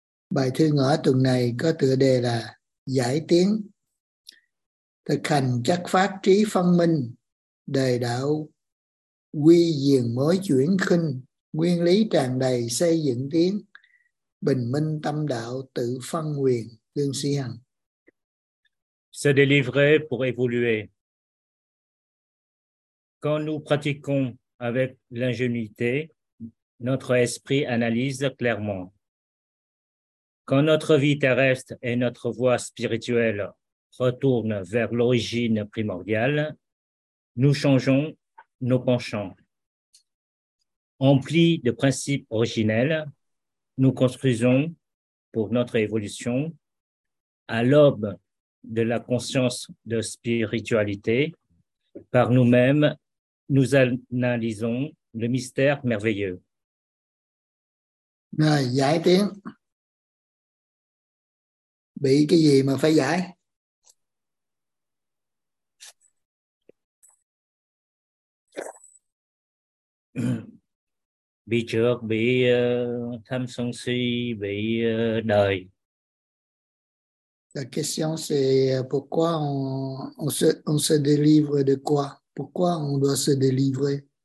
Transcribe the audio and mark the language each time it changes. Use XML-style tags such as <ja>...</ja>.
<vi>Bài thi ngữ tuần này có tựa đề là Giải tiến, thực hành chất phát trí phân minh, đời đạo quy diền mới chuyển khinh, nguyên lý tràn đầy xây dựng tiến, bình minh tâm đạo tự phân quyền, Lương Sĩ Hằng.</vi> <fr>Se délivrer pour évoluer. Quand nous pratiquons avec l'ingénuité, notre esprit analyse clairement. Quand notre vie terrestre et notre voie spirituelle retournent vers l'origine primordiale, nous changeons nos penchants. Emplis de principes originels, nous construisons pour notre évolution à l'aube de la conscience de spiritualité, par nous-mêmes, nous analysons le mystère merveilleux.</fr> <vi>Rồi, giải tiến. Bị cái gì mà phải giải? Bị trước, bị tham sân si, bị đời.</vi> <fr>La question c'est pourquoi on se délivre de quoi? Pourquoi on doit se délivrer?</fr>